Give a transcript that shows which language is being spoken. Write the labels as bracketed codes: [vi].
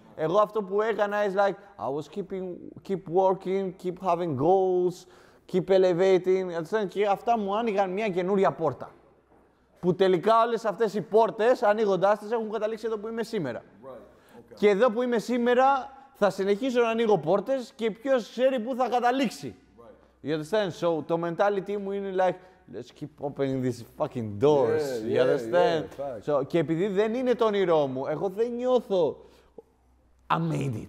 [el] Εγώ αυτό που έκανα [en] is like, I was keep working, keep having goals, keep elevating, [el] και αυτά μου άνοιγαν μια καινούρια πόρτα. Που τελικά όλες αυτές οι πόρτες, ανοίγοντάς τις, έχουν καταλήξει εδώ που είμαι σήμερα. [en] Right. Okay. [el] Και εδώ που είμαι σήμερα, θα συνεχίσω να ανοίγω πόρτες και ποιος ξέρει πού θα καταλήξει. [en] Right. You understand? So, [el] το mentality μου είναι [en] like, let's keep opening these fucking doors. Yeah, you understand? Yeah, yeah, [el] so, και επειδή δεν είναι το όνειρό μου, εγώ δεν νιώθω [en] I made it.